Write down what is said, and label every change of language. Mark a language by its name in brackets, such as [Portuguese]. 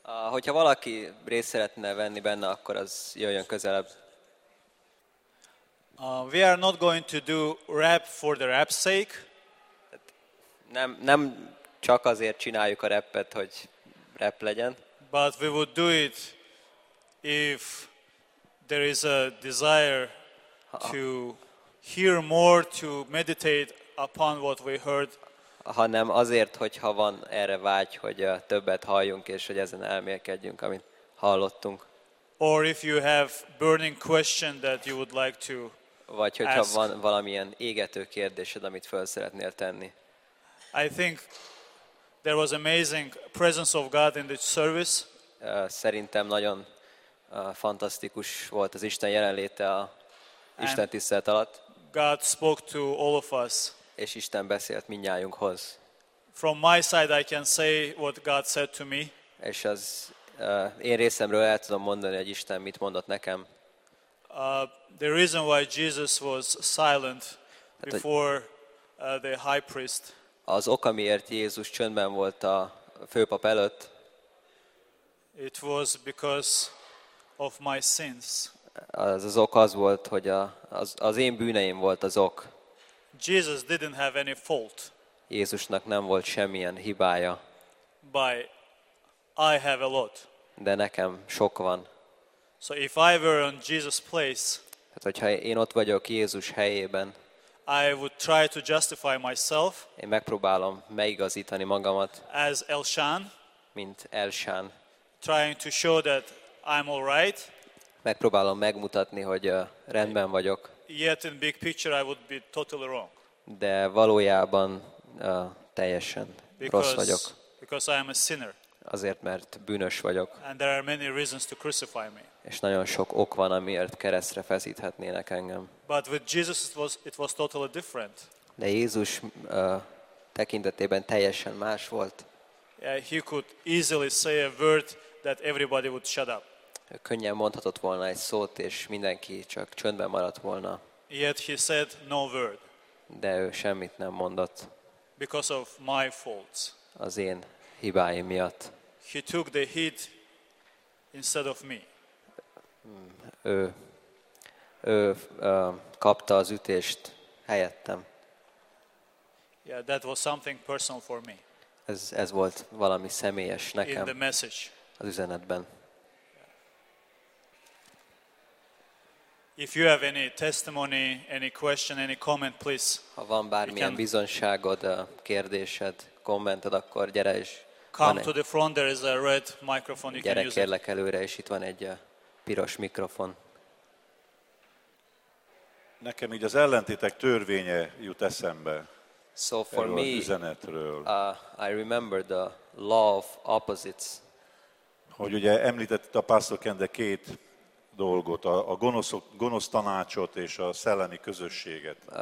[Hungarian] Hogyha valaki részt szeretne venni benne, akkor az jöjjön közelebb. [English] We are not going to do rap for the rap's sake. [Hungarian] Nem csak azért csináljuk a rappet, hogy rap legyen. [English] But we would do it if there is a desire to hear more, to meditate upon what we heard. [Hungarian] Hanem azért, hogyha van erre vágy, hogy többet halljunk, és hogy ezen elmélkedjünk, amit hallottunk. [English] Or if you have burning question that you would like to [Hungarian] vagy hogyha van valamilyen égető kérdésed, amit föl szeretnél tenni. [English] I think there was amazing presence of God in this service. [Hungarian] Szerintem nagyon fantasztikus volt az Isten jelenléte a Isten tisztelet alatt. [English] God spoke to all of us. [Hungarian] És Isten beszélt mindnyájunkhoz. [English] From my side I can say what God said to me. [Hungarian] És az én részemről el tudom mondani, hogy Isten mit mondott nekem. [English] The reason why Jesus was silent before the high priest. [Hungarian] Az oka, miért Jézus csöndben volt a főpap előtt. [English] It was because of my sins. [Hungarian] Az ok az volt, hogy az én bűneim volt az ok. [English] Jesus didn't have any fault. [Hungarian] Jézusnak nem volt semmilyen hibája. [English] But I have a lot. [Hungarian] De nekem sok van. [English] So if I were on Jesus' place, [Hungarian] hát hogyha én ott vagyok Jézus helyében, [English] I would try to justify myself. [Hungarian] Én megpróbálom megigazítani magamat. [English] As Elshan, [Hungarian] mint Elshan. [English] Trying to show that I'm all right. [Hungarian] Megpróbálom megmutatni, hogy rendben vagyok. [English] Yet in big picture I would be totally wrong. [Hungarian] De valójában teljesen rossz vagyok. [English] Because I am a sinner. [Hungarian] Azért, mert bűnös vagyok. [English] And there are many reasons to crucify me. [Hungarian] És nagyon sok ok van, amiért keresztre feszíthetnének engem. [English] But with Jesus it was totally different. [Hungarian] De Jézus tekintetében teljesen más volt. [English] He could easily say a word that everybody would shut up. [Hungarian] Könnyen mondhatott volna egy szót, és mindenki csak csöndben maradt volna. [English] Yet he said no word. [Hungarian] De ő semmit nem mondott. [English] Because of my faults. [Hungarian] Az én hibáim miatt. [English] He took the heat instead of me. [Hungarian] Ő kapta az ütést helyettem. [English] Yeah, that was something personal for me. [Hungarian] Ez volt valami személyes nekem. [English] In the message. [Hungarian] Az üzenetben. [English] If you have any testimony, any question, any comment, please. [Hungarian] Ha van bármilyen bizonyságod, kérdésed, kommented, akkor gyere is. [English] Come to the front, there is a red microphone you can use. [Hungarian] Gyere, kérlek előre, és itt van egy piros mikrofon. Nekem így az ellentétek törvénye jut eszembe. [English] So for me, [Hungarian] üzenetről. [English] I remember the law of opposites. [Hungarian] Hogy ugye említett itt a Pastor Kende két dolgot, a gonosz tanácsot és a szellemi közösséget.